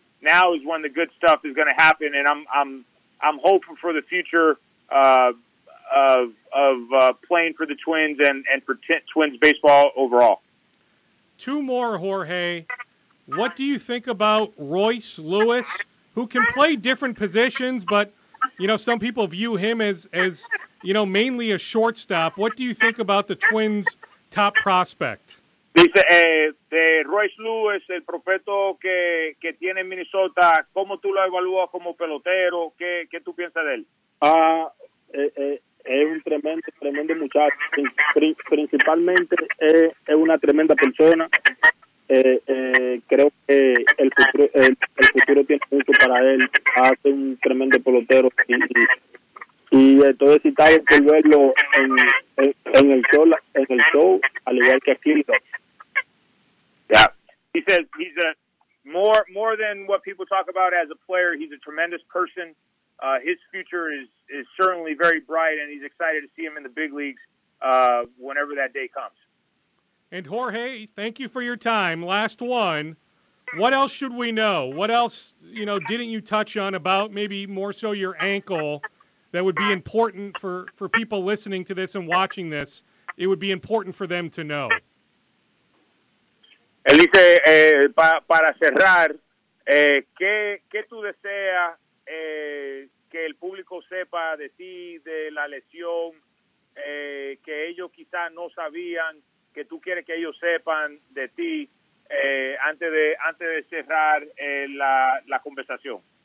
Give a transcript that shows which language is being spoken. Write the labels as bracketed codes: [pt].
[en] Now is when the good stuff is going to happen, and I'm hoping for the future of playing for the Twins and for Twins baseball overall. Two more, Jorge. What do you think about Royce Lewis, who can play different positions, but, you know, some people view him as you know, mainly a shortstop. What do you think about the Twins' top prospect? [es] Dice, de Royce Lewis, el profeta que tiene en Minnesota, ¿cómo tú lo evalúas como pelotero? ¿Qué tú piensas de él? Es un tremendo, tremendo muchacho. Principalmente es una tremenda persona. Creo que el futuro tiene mucho para él. Hace un tremendo pelotero y estoy excitado por verlo en el show, al igual que aquí. [en] Yeah, he says he's a more than what people talk about as a player. He's a tremendous person. His future is certainly very bright, and he's excited to see him in the big leagues whenever that day comes. And Jorge, thank you for your time. Last one. What else should we know? What else, you know, didn't you touch on about maybe more so your ankle that would be important for people listening to this and watching this? It would be important for them to know. [es] Él dice, para cerrar, ¿qué tú deseas que el público sepa de ti, de la lesión, que ellos quizás no sabían, que tú quieres que ellos sepan de ti antes de cerrar la conversación?